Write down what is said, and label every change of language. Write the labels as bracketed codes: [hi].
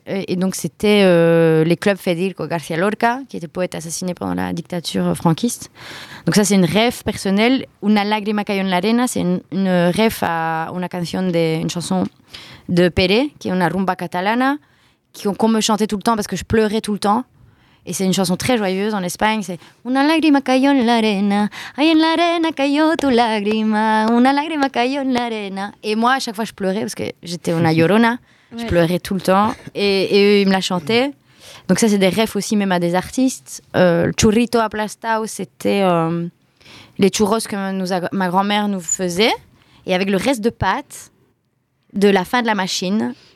[fr] Et donc c'était les clubs Federico García Lorca, qui était poète assassiné pendant la dictature franquiste. Donc ça, c'est une rêve personnelle. [es] Una lágrima cayó en la arena, [fr] c'est une rêve à [es] una canción de, [fr] une chanson de Pere, qui est [es] una rumba catalana, [fr] qu'on me chantait tout le temps parce que je pleurais tout le temps. Et c'est une chanson très joyeuse en Espagne. [es] C'est Una lágrima cayó en la arena, ay en la arena cayó tu lágrima, una lágrima cayó en la arena. [fr] Et moi, à chaque fois, je pleurais parce que j'étais [es] una llorona. [fr] Je pleurais tout le temps. Et eux, ils me la chantaient. Donc, ça, c'est des refs aussi, même à des artistes. Churrito aplastado, c'était les churros que ma grand-mère nous faisait. Et avec le reste de pâte de la fin de la machine.